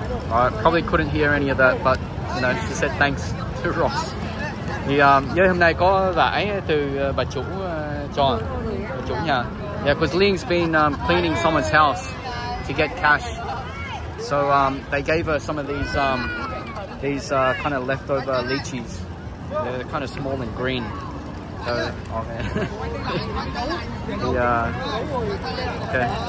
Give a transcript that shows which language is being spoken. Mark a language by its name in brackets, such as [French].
[English] I probably couldn't hear any of that, but you know, she said thanks to Ross. [Vietnamese] Thì giờ hôm nay có vải từ bà chủ cho bà chủ nhà. [English] Yeah, because Lien's been cleaning someone's house to get cash, so they gave her some of these kind of leftover lychees. They're kind of small and green. So, oh man. Yeah. Okay.